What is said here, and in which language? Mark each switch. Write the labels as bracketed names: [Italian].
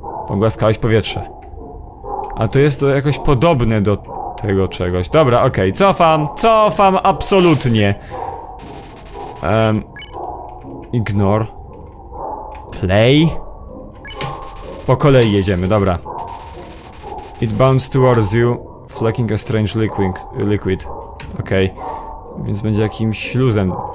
[Polish] Pogłaskałeś powietrze. A to jest to jakoś podobne do tego czegoś. Dobra, okej, okay. Cofam absolutnie. [English] Ignore. Play. [Polish] Po kolei jedziemy, dobra. [English] It bounced towards you, flecking a strange liquid. [Polish] Okej. Więc będzie jakimś luzem.